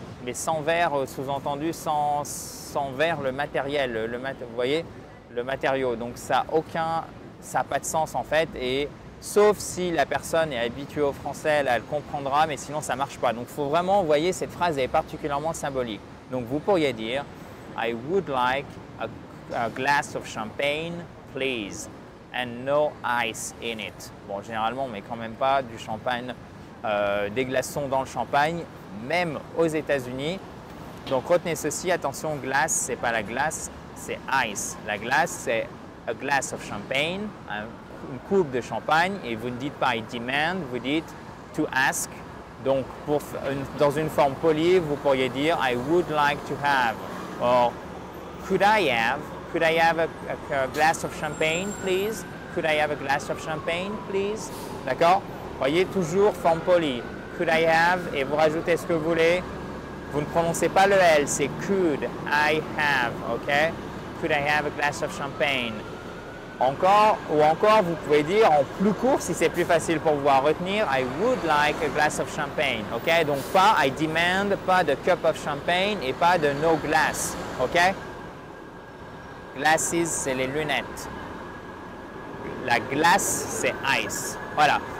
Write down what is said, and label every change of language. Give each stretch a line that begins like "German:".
French: Mais sans verre, sous-entendu, sans verre, le matériel, vous voyez? Le matériau, donc ça n'a pas de sens en fait, et sauf si la personne est habituée au français, là, elle comprendra, mais sinon ça marche pas. Donc faut vraiment, vous voyez, cette phrase est particulièrement symbolique. Donc vous pourriez dire
English: I would like a glass of champagne please and no ice in it.
French: Bon, généralement on met quand même pas du champagne, des glaçons dans le champagne, même aux États-Unis. Donc retenez ceci, attention, glace, c'est pas la glace, c'est ice. La glace, c'est
English: a glass of champagne,
French: une coupe de champagne, et vous ne dites pas
English: I demand,
French: vous dites
English: to ask.
French: Donc, dans une forme polie, vous pourriez dire
English: I would like to have, or could I have a glass of champagne, please? Could I have a glass of champagne, please?
French: D'accord? Voyez, toujours forme polie.
English: Could I have,
French: et vous rajoutez ce que vous voulez. Vous ne prononcez pas le L, c'est
English: could I have,
French: ok?
English: could I have a glass of champagne?
French: Encore, ou encore, vous pouvez dire en plus court si c'est plus facile pour vous à retenir,
English: I would like a glass of champagne.
French: Ok? Donc pas
English: I demand,
French: pas de
English: cup of champagne
French: et pas de
English: no glass.
French: Ok? Glasses, c'est les lunettes. La glace, c'est ice. Voilà.